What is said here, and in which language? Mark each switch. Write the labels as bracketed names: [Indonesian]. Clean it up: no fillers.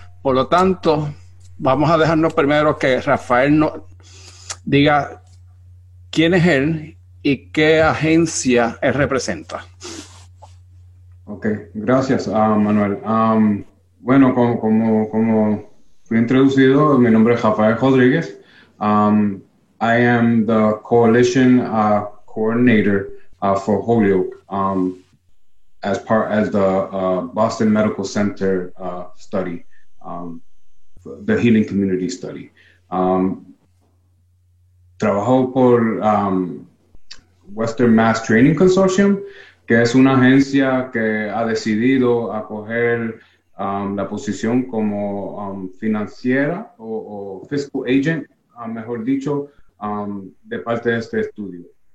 [Spanish] Por lo tanto, vamos a dejarnos primero que Rafael nos diga quién es él y qué agencia él representa. Ok, gracias, Manuel. Bueno, como fui introducido, mi nombre es Rafael Rodríguez. [English] I am the coalition coordinator for Holyoke as part as the Boston Medical Center study, the healing community study. [Spanish] Trabajo por Western Mass Training Consortium, que es una agencia que ha decidido acoger la posición como financiera o [English] fiscal agent, [Spanish] mejor dicho, de parte de este estudio.